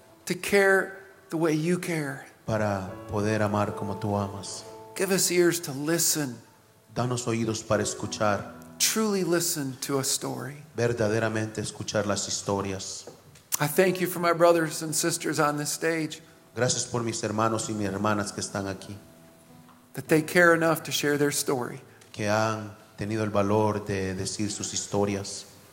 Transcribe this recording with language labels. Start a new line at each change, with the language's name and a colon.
English: To care the way you care.
Spanish: Para poder amar como tú amas.
English: Give us ears to listen.
Spanish: Danos oídos para escuchar.
English: Truly listen to a story.
Spanish: Verdaderamente escuchar las historias.
English: I thank you for my brothers and sisters on this stage.
Spanish: Gracias por mis hermanos y mis hermanas que están aquí.
English: That they care enough to share their story.
Spanish: Que han tenido el valor de decir sus historias.